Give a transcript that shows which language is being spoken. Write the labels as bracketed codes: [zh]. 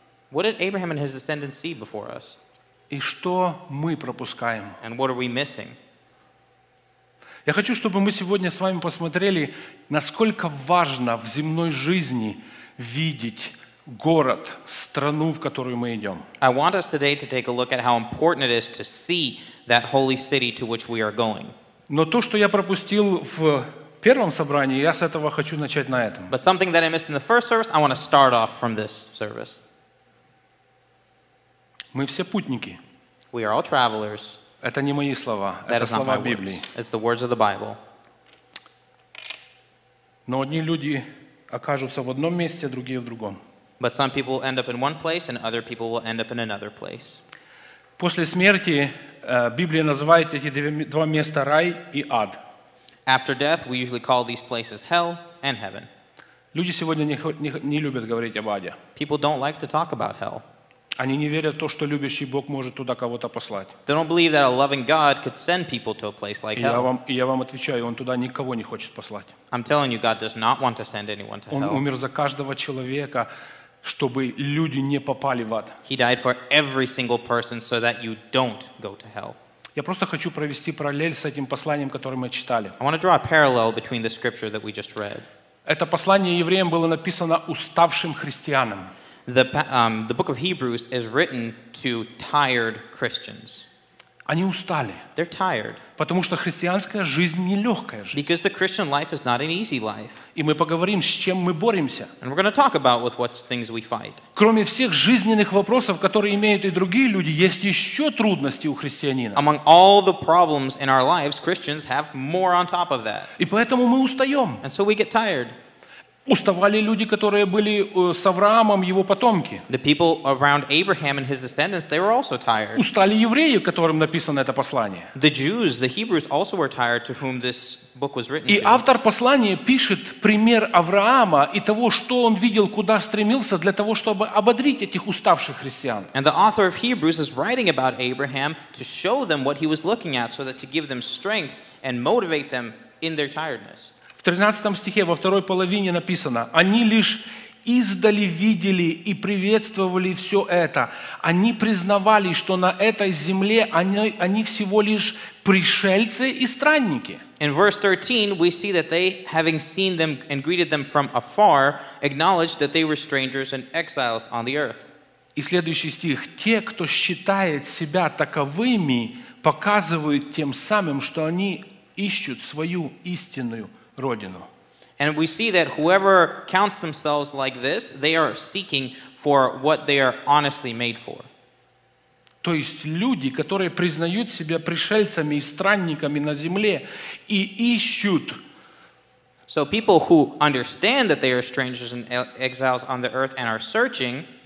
[en] What did Abraham and his descendants see before us? [ru] И что мы пропускаем? [en] And what are we missing? [ru] Я хочу, чтобы мы сегодня с вами посмотрели, насколько важно в земной жизни видеть город, страну, в которую мы идем. [en] I want us today to take a look at how important it is to see that holy city to which we are going. [ru] Но то, что я пропустил в первом собрании, я с этого хочу начать на этом. [en] But something that I missed in the first service, I want to start off from this service. [ru] Мы все путники. [en] We are all travelers. [ru] Это не мои слова, [en] that [ru] это слова Библии. [en] Words. It's the words of the Bible. [ru] Но одни люди окажутся в одном месте, а другие в другом. [en] But some people end up in one place, and other people will end up in another place. [ru] После смерти Библия называет эти два места рай и ад. [en] After death, we usually call these places hell and heaven. [ru] Люди сегодня не любят говорить об аде. [en] People don't like to talk about hell. [ru] Они не верят в то, что любящий Бог может туда кого-то послать. [en] They don't believe that a loving God could send people to a place like hell. [ru] Я вам отвечаю, он туда никого не хочет послать. [en] I'm telling you, God does not want to send anyone to hell. [ru] Он умер за каждого человека, чтобы люди не попали в ад. [en] He died for every single person so that you don't go to hell. [ru] Я просто хочу провести параллель с этим посланием, которое мы читали. [en] I want to draw a parallel between the scripture that we just read. [ru] Это послание евреям было написано уставшим христианам. [en] The book of Hebrews is written to tired Christians. [ru] Они устали. [en] They're tired. [ru] Потому что христианская жизнь не легкая жизнь. [en] Because the Christian life is not an easy life. [ru] И мы поговорим, с чем мы боремся. [en] And we're going to talk about with what things we fight. [ru] Кроме всех жизненных вопросов, которые имеют и другие люди, есть еще трудности у христианина. [en] Among all the problems in our lives, Christians have more on top of that. [ru] И поэтому мы устаем. [en] And so we get tired. [ru] Уставали люди, которые были с Авраамом, его потомки. [en] The people around Abraham and his descendants, they were also tired. [ru] Устали евреи, которым написано это послание. [en] The Jews, the Hebrews also were tired to whom this book was written. [ru] И автор послания пишет пример Авраама и того, что он видел, куда стремился, для того, чтобы ободрить этих уставших христиан. [en] And the author of Hebrews is writing about Abraham to show them what he was looking at so that to give them strength and motivate them in their tiredness. [ru] В 13 стихе во второй половине написано: «Они лишь издали видели и приветствовали все это. Они признавали, что на этой земле они всего лишь пришельцы и странники». [en] In verse 13, we see that they, having seen them and greeted them from afar, acknowledged that they were strangers and exiles on the earth. [ru] И следующий стих: «Те, кто считает себя таковыми, показывают тем самым, что они ищут свою истинную». [en] And we see that whoever counts themselves like this, they are seeking for what they are honestly made for. [ru] То есть люди, которые признают себя пришельцами и странниками на земле и ищут. [en] So people who understand that they are strangers and exiles on the earth and are searching,